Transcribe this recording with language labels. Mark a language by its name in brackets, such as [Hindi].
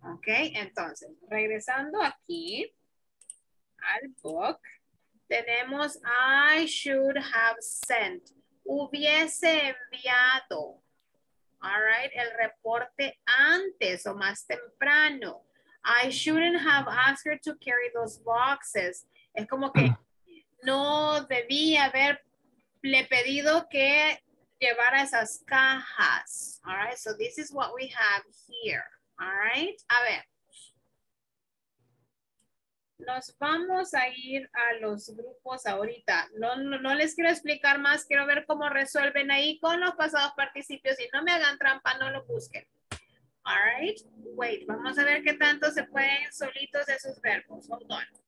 [Spanish] Ok, entonces, regresando aquí al [English] book, [Spanish] tenemos [English] I should have sent. [Spanish] Hubiese enviado. [English] All right, [Spanish] el reporte antes o más temprano. [English] I shouldn't have asked her to carry those boxes. [Spanish] Es como que no debía haberle pedido que llevar esas cajas. [English] All right, so this is what we have here. All right, [Spanish] a ver. Nos vamos a ir a los grupos ahorita. No les quiero explicar más, quiero ver cómo resuelven ahí con los pasados participios y no me hagan trampa, no lo busquen. [English] All right, wait, [Spanish] vamos a ver qué tanto se pueden solitos esos verbos. [English] Hold on.